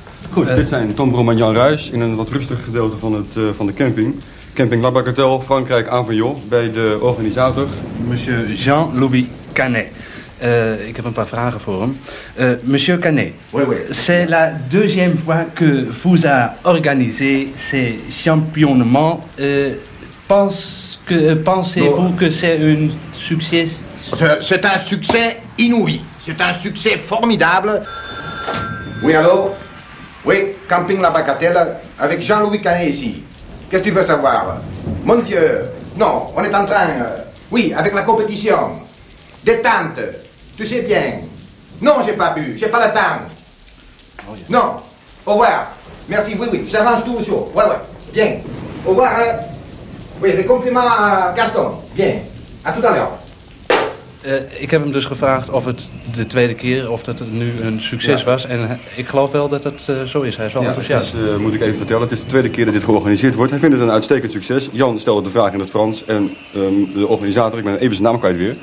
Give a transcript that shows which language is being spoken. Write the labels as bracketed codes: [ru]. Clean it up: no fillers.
[nl] Goed, dit zijn Tom Brom en Jan Ruijs in een wat rustig gedeelte van de camping. Camping La Bagatelle, Frankrijk, Avignon, bij de organisator. Monsieur Jean-Louis Canet. Ik heb een paar vragen voor hem. [fr] Monsieur Canet, c'est la deuxième fois que vous a organisé ces championnements. Pensez-vous que c'est un succès? C'est un succès inouï. C'est un succès formidable. Oui, allô? Oui, Camping La Bagatelle, avec Jean-Louis Canet ici. Qu'est-ce que tu veux savoir? Mon Dieu, non, on est en train... Oui, avec la compétition. Détente, tu sais bien. Non, j'ai pas bu, j'ai pas le temps. [en] Oh, yes. [fr] Non, au revoir. Merci, oui, oui, j'avance tout le jour. Ouais, ouais, bien. Au revoir. Oui, des compliments à Gaston. Bien, à tout à l'heure. [nl] Ik heb hem dus gevraagd of het de tweede keer, of dat het nu een succes was. En ik geloof wel dat het zo is. Hij is wel enthousiast. Ja, moet ik even vertellen. Het is de tweede keer dat dit georganiseerd wordt. Hij vindt het een uitstekend succes. Jan stelde de vraag in het Frans. En de organisator, ik ben even zijn naam kwijt weer.